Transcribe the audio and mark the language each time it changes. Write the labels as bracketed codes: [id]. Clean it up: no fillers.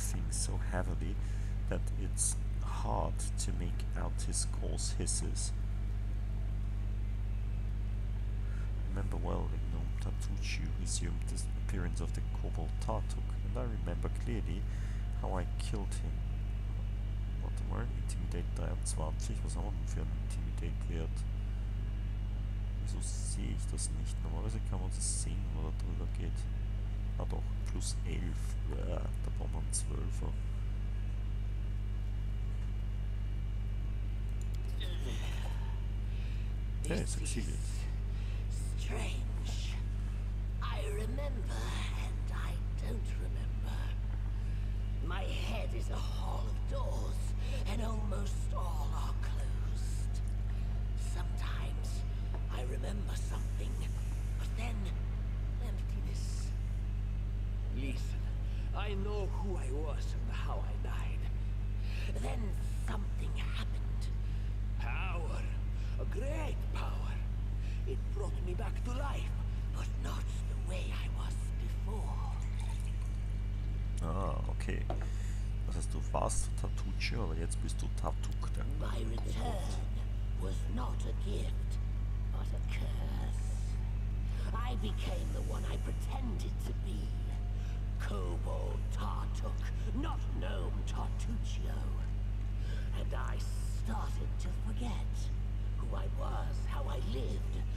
[en] So heavily that it's hard to make out his coarse hisses. Remember well, the gnome Tatuchu assumed the appearance of the kobold Tartuk, and I remember clearly how I killed him. What the word? Intimidate 23? [de] Was haben wir denn für einen Intimidate-Wert? Wieso sehe ich das nicht? Normalerweise kann man das sehen, wo da drüber geht. Ah doch, plus 11, da brauchen wir einen 12er. [en] Hey, succeeded. Strange. I remember and I don't remember. My head is a hall of doors and almost all are closed. Sometimes I remember something, but then emptiness. Listen, I know who I was and how I died. Then something happened. Power. A great power. It brought me back to life, but not the way I was before. Ah, okay. [de] Das heißt, du warst Tatuchi, aber jetzt bist du Tatuk. [en] My return was not a gift, but a curse. I became the one I pretended to be. Kobold Tartuk, not Gnome Tartuccio. And I started to forget who I was, how I lived.